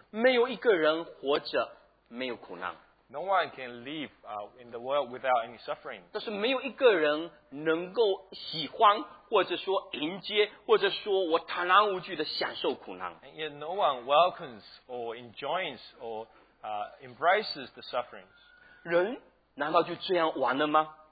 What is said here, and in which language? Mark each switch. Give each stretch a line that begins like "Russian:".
Chinese: 没有一个人活着没有苦难。
English: No one can live in the world without any suffering.
Chinese: 但是没有一个人能够喜欢或者说迎接或者说我坦然无惧的享受苦难。
English: And yet no one welcomes or enjoys or embraces the sufferings.
Chinese: 人难道就这样完了吗？